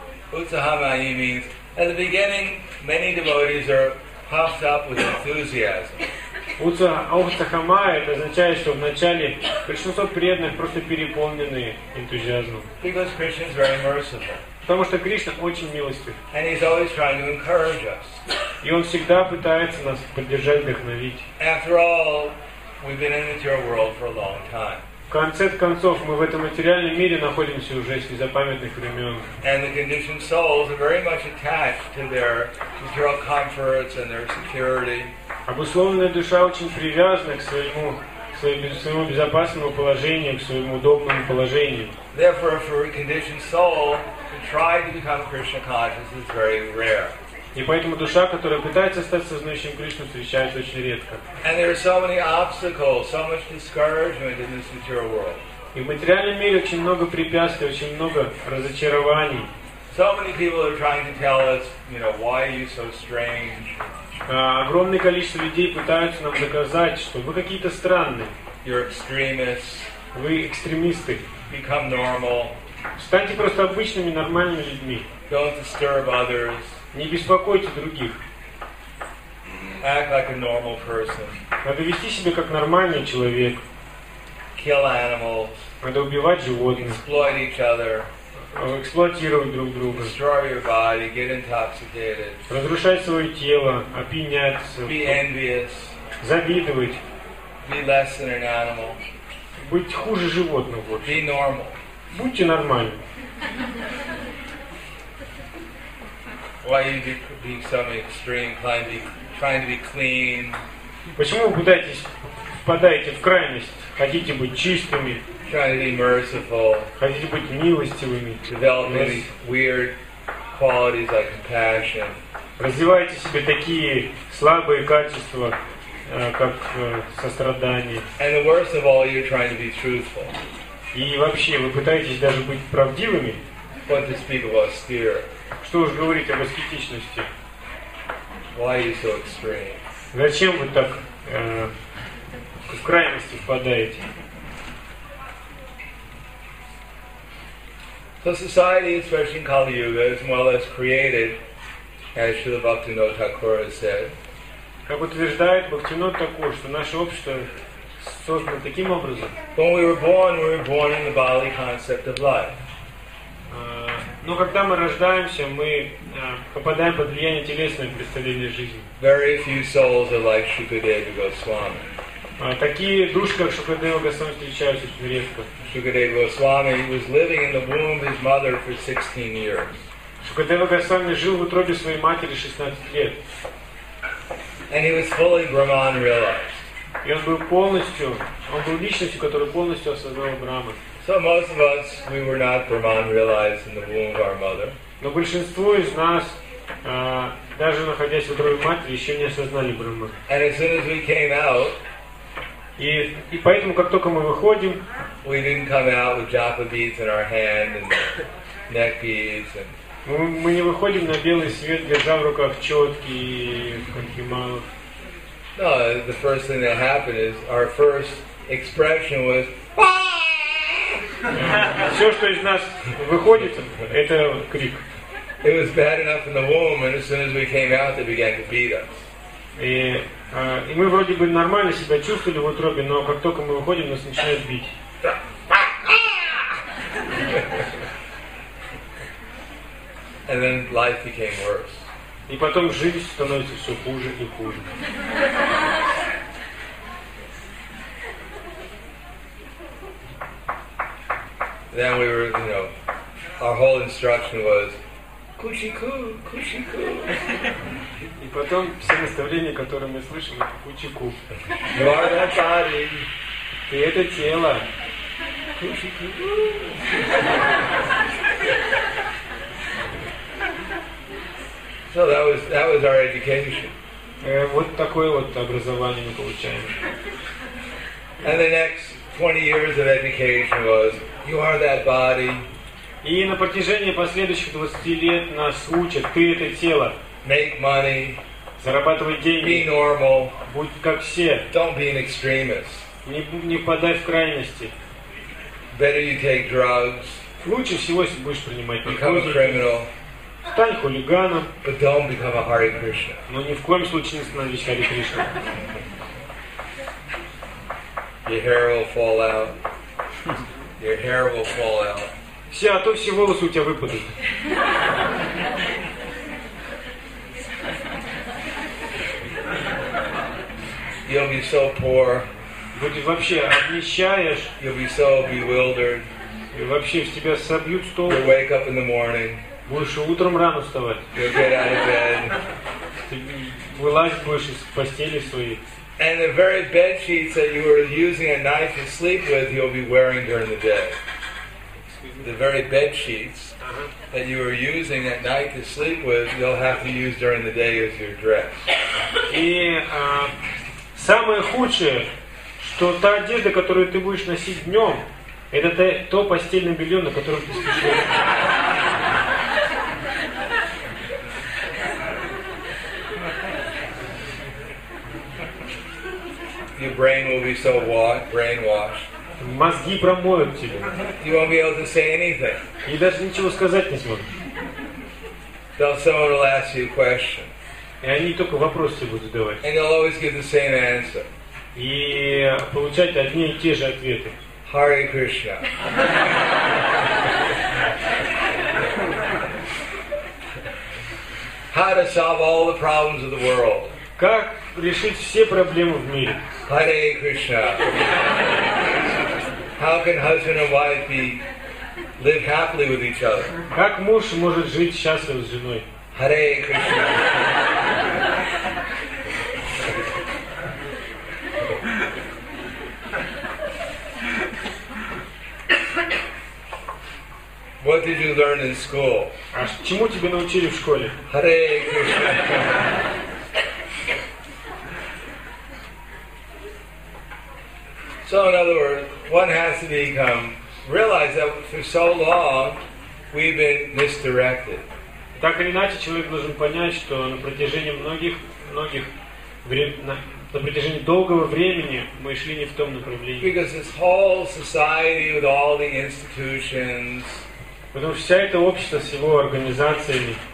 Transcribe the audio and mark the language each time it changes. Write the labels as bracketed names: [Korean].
[English] Utsahamayi means at the beginning many devotees are puffed up with enthusiasm. [Russian] Утсахамая, это означает, что вначале большинство преданных просто переполнены энтузиазмом. [English] Because Krishna is very merciful. [Russian] Потому что Кришна очень милостив. [English] And he's always trying to encourage us. [Russian] И он всегда пытается нас поддержать, вдохновить. [English] After all, we've been in the material world for a long time. [Russian] В конце концов, мы в этом материальном мире находимся уже с незапамятных времен. [English] And the conditioned souls are very much attached to their material comforts and their security. [Russian] Обусловленная душа очень привязана к своему безопасному положению, к своему удобному положению. [English] Therefore, for a conditioned soul to try to become Krishna conscious is very rare. [Russian] И поэтому душа, которая пытается стать сознающим Кришну, встречается очень редко. [English] And there are so many obstacles, so much discouragement in this material world. [Russian] И в материальном мире очень много препятствий, очень много разочарований. [English] So many people are trying to tell us, you know, why are you so strange? [Russian] Огромное количество людей пытаются нам доказать, что вы какие-то странные. [English] You're extremists. [Russian] Вы экстремисты. [English] Become normal. [Russian] Станьте просто обычными, нормальными людьми. [English] Don't disturb others. [Russian] Не беспокойте других. [English] act like a normal person. [Russian] Надо вести себя как нормальный человек. [English] Kill animals. [Russian] Надо убивать животных. [English] Exploit each other. [Russian] Эксплуатировать друг друга. [English] Destroy your body, get intoxicated. [Russian] Разрушать свое тело, опьяняться. [English] Be envious. [Russian] Завидовать. [English] Be less than an animal. [Russian] Быть хуже животных. [English] Be normal. [Russian] Будьте нормальны. [English] Why are you being some extreme, trying to be clean? [Russian] Почему вы впадаете в крайность? Хотите быть чистыми? [English] Trying to be merciful. [Russian] Хотите быть милостивыми? [English] Developing weird qualities like compassion. [Russian] Развиваете себе такие слабые качества, как сострадание. [English] And the worst of all, you're trying to be truthful. [Russian] И вообще, вы пытаетесь даже быть правдивыми? [English] What to speak of austere? [Russian] Что уж говорить об аскетичности? [English] Why are you so extreme? [Russian] Зачем вы так в крайности впадаете? [English] So society, especially in Kali Yuga, is more or less created, as Śrīla Bhaktivinoda Thakura said. [Russian] Как утверждает Бхактивинода Тхакура, что наше общество создано таким образом. [English] When we were born in the Bali concept of life. [Russian] Но когда мы рождаемся, мы попадаем под влияние телесного представления жизни. [English] Very few souls are like Shukadeva Goswami. [Russian] Такие души, как Шукадева Госвами, встречаются очень редко. [English] Shukadeva Goswami was living in the womb of his mother for 16 years. [Russian] Шукадева Госвами жил в утробе своей матери 16 лет. [English] And he was fully Brahman realized. [Russian] И он был личностью, которая полностью осознала Брахма. [English] So most of us, we were not Brahman realized in the womb of our mother. [Russian] Но большинство из нас, даже находясь в утробе матери, еще не осознали Брахма. [English] And as soon as we came out, [Russian] и поэтому, как только мы выходим, [English] we didn't come out with japa beads in our hand and neck beads. [Russian] Мы не выходим на белый свет, держа в руках четки и конхималов. [English] No, the first thing that happened is our first expression was. [Russian] Все, что из нас выходит, это крик. [English] It was bad enough in the womb, and as soon as we came out, they began to beat us. [Russian] И мы вроде бы нормально себя чувствовали в утробе, но как только мы выходим, нас начинают бить. [English] And then life became worse. [Russian] И потом жизнь становится все хуже и хуже. [English] Then we were, you know, our whole instruction was Kuchiku, Kuchiku. [Russian] И потом все наставления, которые мы слышим, это Kuchiku. [English] You are that body. [Russian] Ты это тело. Kuchiku. [English] So that was our education. [Russian] Вот такое вот образование мы получаем. [English] And the next 20 years of education was you are that body. [Russian] И на протяжении последующих 20 лет нас учат: ты это тело. [English] Make money. [Russian] Зарабатывай деньги. [English] Be normal. [Russian] Будь как все. [English] Don't be an extremist. [Russian] Не впадай в крайности. [English] Better you take drugs. [Russian] Лучше всего, если будешь принимать наркотики. [English] Become a criminal. [Russian] Стань хулиганом. [English] But don't become a Hare Krishna. [Russian] Но ни в коем случае не становись Hare Krishna. [English] Your hair will fall out. [Russian] Все, а то все волосы у тебя выпадут. [English] You'll be so poor. [Russian] Будешь вообще обнищаешь. [English] You'll be so bewildered. [Russian] И вообще в тебя собьют стол. [English] You'll wake up in the morning. [Russian] Будешь утром рано вставать. [English] You'll get out of bed. [Russian] Ты вылазь будешь из постели своей. [English] And the very bed sheets that you were using at night to sleep with, you'll be wearing during the day. The very bed sheets that you were using at night to sleep with, you'll have to use during the day as your dress. [Russian] И самое худшее, что та одежда, которую ты будешь носить днем, это то постельное белье, на котором ты спишь. [English] Your brain will be so brainwashed. [Russian] Мозги промоют тебя. [English] You won't be able to say anything. [Russian] И даже ничего сказать не сможешь. [English] They'll someone will ask you a question. [Russian] И они только вопросы будут задавать. [English] And they'll always give the same answer. [Russian] И получать одни и те же ответы. [English] Hare Krishna. How to solve all the problems of the world. [Russian] Как решить все проблемы в мире? [English] Hare Krishna. How can husband and wife be live happily with each other? [Russian] Как муж может жить счастливо с женой? [English] Hare Krishna. What did you learn in school? [Russian] А чему тебя научили в школе? [English] Hare Krishna. So in other words, one has to become realize that for so long we've been misdirected. [Russian] Так или иначе, человек должен понять, что на протяжении многих на протяжении долгого времени мы шли не в том направлении. [English] Because this whole society with all the institutions. [Russian] Потому что вся эта общество с его организациями.